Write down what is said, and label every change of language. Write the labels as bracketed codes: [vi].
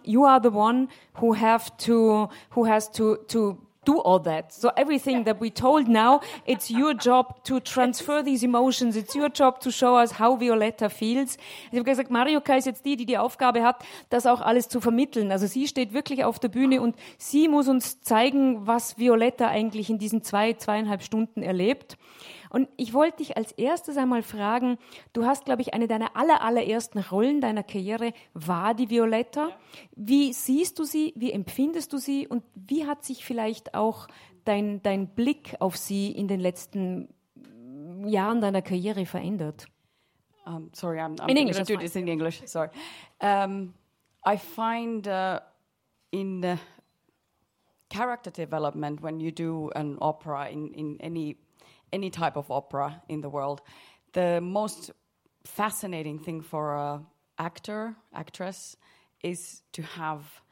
[en] You are the one who has to do all that. So everything that we told now, it's your job to transfer these emotions. It's your job to show us how Violetta feels. [de] Ich habe gesagt, Mariukka ist jetzt die Aufgabe hat, das auch alles zu vermitteln. Also sie steht wirklich auf der Bühne und sie muss uns zeigen, was Violetta eigentlich in diesen 2, 2,5 Stunden erlebt. Und ich wollte dich als erstes einmal fragen, du hast, glaube ich, eine deiner allerersten Rollen deiner Karriere war die Violetta. Wie siehst du sie, wie empfindest du sie und wie hat sich vielleicht auch dein Blick auf sie in den letzten Jahren deiner Karriere verändert? [en] Sorry, I'm in English. Do this in English, sorry. I find in the character development when you do an opera in any type of opera in the world, the most fascinating thing for a actor, actress, is to have